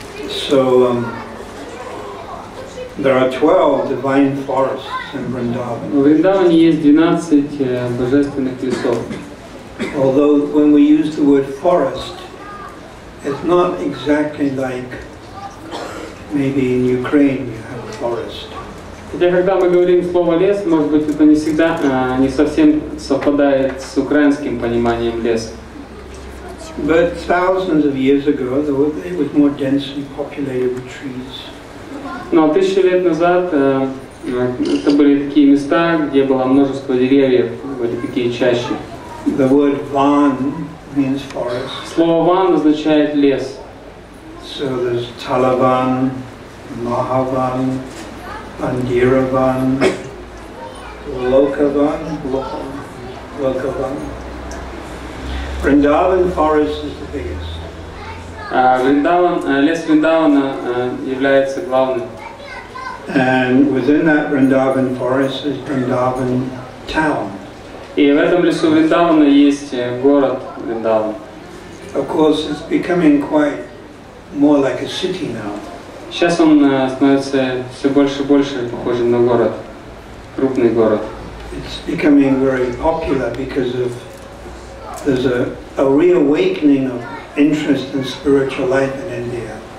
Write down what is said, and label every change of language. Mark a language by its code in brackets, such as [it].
[en] So there are 12 divine forests in Vrindavan. [uk] У Вриндавані є 12 божественних лісів. [en] Although when we use the word forest, it's not exactly like maybe in Ukraine you have a forest. [uk] Коли ми говоримо слово ліс, може бути, це не завжди, не зовсім співпадає з українським розумінням лісу. [en] But thousands of years ago, it was more densely populated with trees. [ru] Но тысячи лет назад это были такие места, где было множество деревьев, были такие чащи. [en] The word van means forest. [ru] Слово ван означает лес. [en] So there's Talavan, Mahavan, Andiravan, Lokavan, Lokavan. Vrindavan forest is the biggest. [ru] Vrindavan, лес Vrindavana является главным. [en] And within that Vrindavan forest is Vrindavan town. [ru] И в этом лесу Vrindavana есть город Vrindavan. [en] Of course, it's becoming quite more like a city now. [ru] Сейчас он становится все больше и больше похожим на город, крупный город. [en] It's becoming very popular because of there's a reawakening of interest in spiritual life in India.